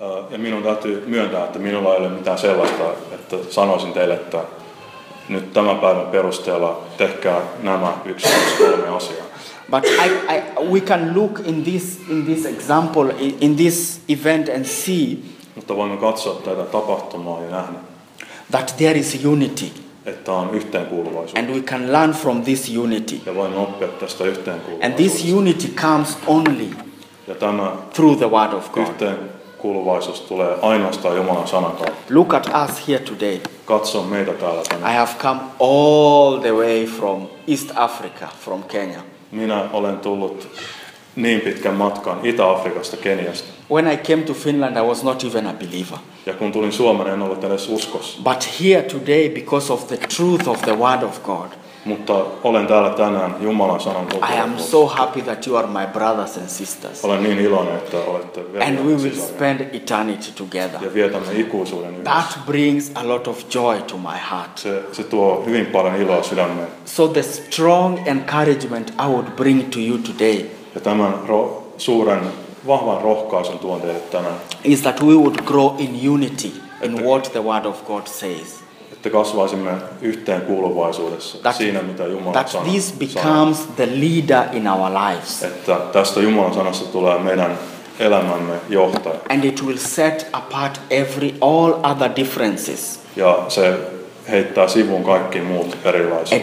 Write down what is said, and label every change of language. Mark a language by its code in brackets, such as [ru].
[fi] Ja minun täytyy myöntää, että minulla ei ole mitään sellaista, että sanoisin teille, että nyt tämän päivän perusteella tehkää nämä 1, 2, 3 asiaa. [en] But we can look in this example in this event and see. [fi] Mutta voimme katsoa tätä tapahtumaa ja nähdä. [en] That there is unity. [fi] Että on yhteenkuuluvaisuus. [en] And we can learn from this unity. [fi] Ja voimme oppia tästä yhteenkuuluvaisuudesta. [en] And this unity comes only. [fi] Ja tämä [en] through the word of God. [fi] Yhteenkuuluvaisuus tulee ainoastaan Jumalan sanan kautta. [en] Look at us here today. [fi] Katso meitä täällä tänään. [en] I have come all the way from East Africa, from Kenya. [fi] Minä olen tullut niin pitkän matkan Itä-Afrikasta, Keniasta. [en] When I came to Finland, I was not even a believer. [fi] Ja kun tulin Suomeen, en ollut edes uskossa. [en] But here today, because of the truth of the word of God. [fi] Mutta olen täällä tänään Jumalan sanan totuuden. [en] I am so happy that you are my brothers and sisters. [fi] Olen niin iloinen, että olette veljet. [en] And we will spend eternity together. [fi] Ja vietämme ikuisuuden yhdessä. [en] That brings a lot of joy to my heart. [fi] Se tuo hyvin paljon iloa sydämeen. [en] So the strong encouragement I would bring to you today. [fi] Ja tämän suuren vahvan rohkaisun tuon teille tänään. [en] Is that we would grow in unity in what the word of God says. [fi] Että kasvaisimme yhteenkuuluvaisuudessa siinä, mitä Jumala sanoo. [en] That this becomes the leader in our lives. [fi] Että tästä Jumalan sanasta tulee meidän elämämme johtaja. [en] And it will set apart all other differences. [fi] Ja se heittää sivuun kaikki muut erilaiset.